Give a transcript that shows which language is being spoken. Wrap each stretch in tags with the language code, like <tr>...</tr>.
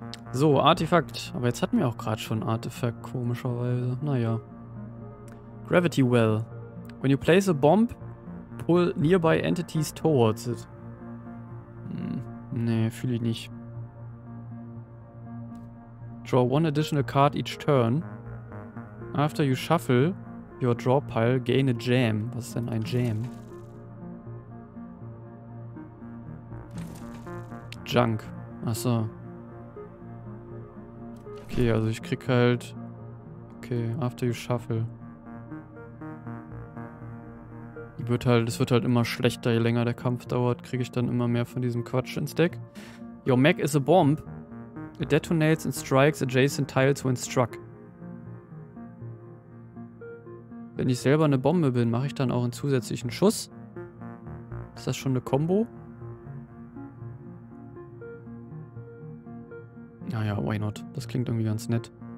<de>So, Artefakt. Aber jetzt hatten wir auch gerade schon Artefakt, komischerweise. Naja.</de> <en>Gravity Well. When you place a bomb, pull nearby entities towards it.</en> <de>Nee, fühle ich nicht.</de> <en>Draw one additional card each turn. After you shuffle your draw pile, gain a jam.</en> <de>Was ist denn ein Jam? Junk. Achso. Okay, also ich krieg halt. Okay,</de> <en>after you shuffle.</en> <de>Wird halt, es wird halt immer schlechter, je länger der Kampf dauert, kriege ich dann immer mehr von diesem Quatsch ins Deck.</de> <en>Your mech is a bomb. It detonates and strikes adjacent tiles when struck.</en> <de>Wenn ich selber eine Bombe bin, mache ich dann auch einen zusätzlichen Schuss. Ist das schon eine Combo? Naja,</de> <en>why not?</en> <de>Das klingt irgendwie ganz nett.</de>